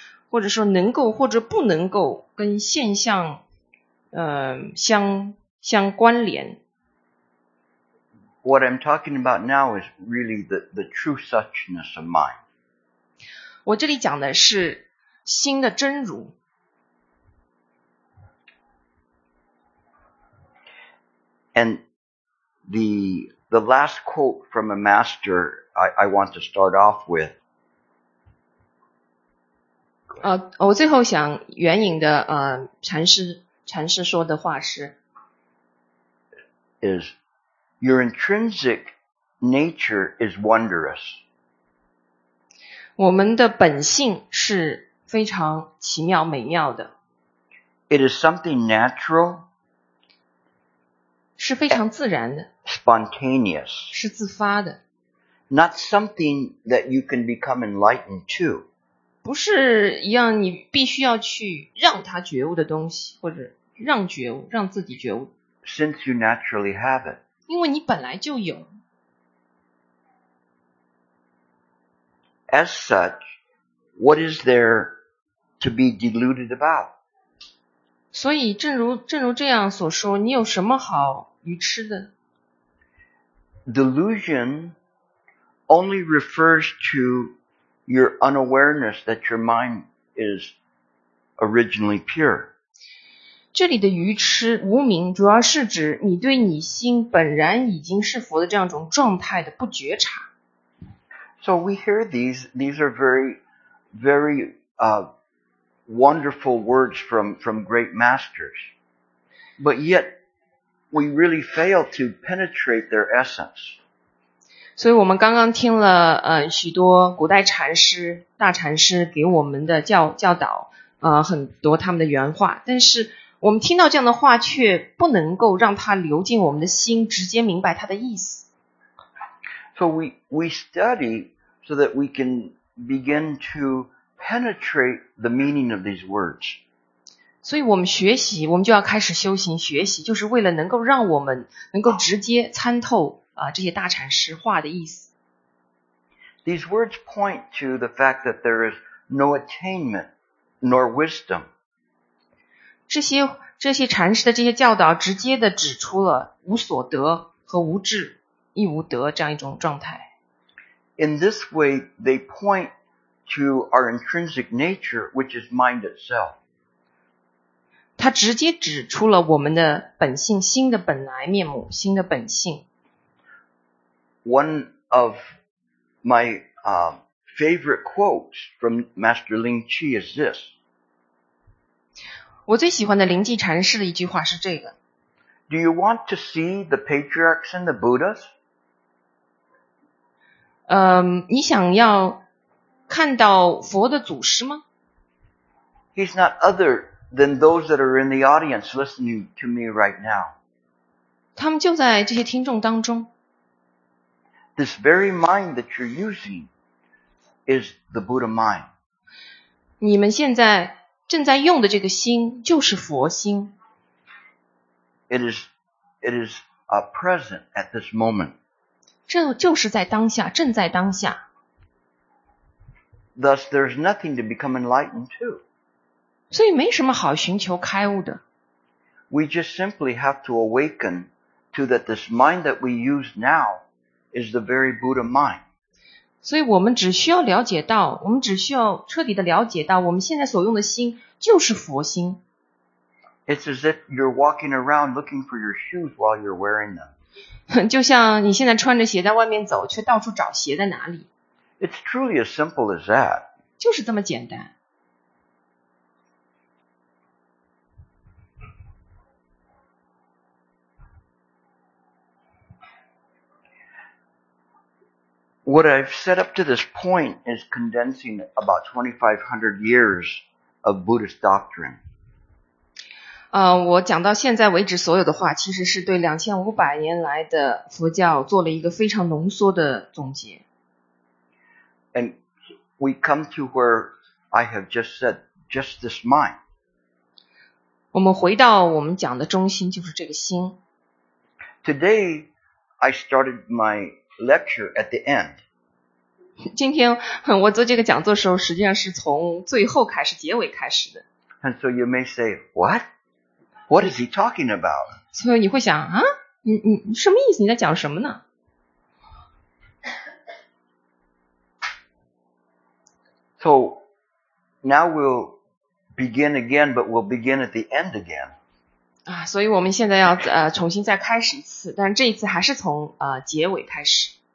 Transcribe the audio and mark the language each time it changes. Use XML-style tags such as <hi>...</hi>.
<zh>或者说能够或者不能够跟现象相关联。</zh> <en>What I'm talking about now is really the true suchness of mind.</en> <zh>我这里讲的是心的真如。</zh> <en>And The last quote from a master I want to start off with.</en> <zh>我最后想援引的禅师说的话是</zh> <en>is your intrinsic nature is wondrous.</en> <zh>我们的本性是非常奇妙美妙的。</zh> <en>It is something natural.</en> <zh>是非常自然的。</zh> <en>Spontaneous.</en> <zh>是自发的。</zh> <en>Not something that you can become enlightened to.</en> <zh>不是一样你必须要去让他觉悟的东西，或者让觉悟，让自己觉悟。</zh> <en>Since you naturally have it.</en> <zh>因为你本来就有。</zh> <en>As such, what is there to be deluded about?</en> <zh>所以正如这样所说，你有什么好愚痴的？</zh> <en>Delusion only refers to your unawareness that your mind is originally pure.</en> <zh>这里的愚痴无明主要是指你对你心本然已经是佛的这样一种状态的不觉察。</zh> <en>So we hear these are very, very, wonderful words from great masters. But yet, we really fail to penetrate their essence.</en> <zh>所以我们刚刚听了许多古代禅师、大禅师给我们的教导很多他们的原话，但是我们听到这样的话却不能够让它流进我们的心，直接明白它的意思。</zh> <en>So we study so that we can begin to penetrate the meaning of these words.</en> <zh>所以我们学习，我们就要开始修行学习，就是为了能够让我们能够直接参透这些大禅师话的意思。</zh> <en>These words point to the fact that there is no attainment nor wisdom.</en> <zh>这些禅师的这些教导直接的指出了无所得和无智。一无得这样一种状态。</zh> <en>In this way, they point to our intrinsic nature, which is mind itself.</en> <zh>它直接指出了我们的本性，心的本来面目，心的本性。</zh> <en>One of my favorite quotes from Master Ling Qi is this.</en> <zh>我最喜欢的灵济禅师的一句话是这个。</zh> <en>Do you want to see the patriarchs and the Buddhas?</en> <zh>你想要看到佛的祖师吗？</zh> <en>He's not other than those that are in the audience listening to me right now.</en> <zh>他们就在这些听众当中。</zh> <en>This very mind that you're using is the Buddha mind.</en> <zh>你们现在正在用的这个心就是佛心。</zh> <en>It is a present at this moment.</en> <zh>这就是在当下，正在当下。</zh> <en>Thus, there's nothing to become enlightened to.</en> <zh>所以没什么好寻求开悟的。</zh> <en>We just simply have to awaken to that this mind that we use now is the very Buddha mind.</en> <zh>所以我们只需要了解到，我们只需要彻底的了解到，我们现在所用的心就是佛心。</zh> <en>It's as if you're walking around looking for your shoes while you're wearing them.</en> <zh>就像你现在穿着鞋在外面走，却到处找鞋在哪里。</zh> <en>It's truly as simple as that.</en> <zh>就是这么简单。</zh> <en>What I've set up to this point is condensing about 2,500 years of Buddhist doctrine.</en> <zh>我讲到现在为止所有的话其实是对2500年来的佛教做了一个非常浓缩的总结。</zh> <en>And we come to where I have just said, just this mind.</en> <zh>我们回到我们讲的中心就是这个心。</zh> <en>Today, I started my lecture at the end.</en> <zh>今天我做这个讲座的时候实际上是从最后开始结尾开始的。</zh> <en>And so you may say, what? What is he talking about?</en> <zh>所以你会想啊，你什么意思？你在讲什么呢？</zh> <en>So now we'll begin again, but we'll begin at the end again.</en> <zh>啊，所以我们现在要重新再开始一次，但这一次还是从结尾开始。</zh>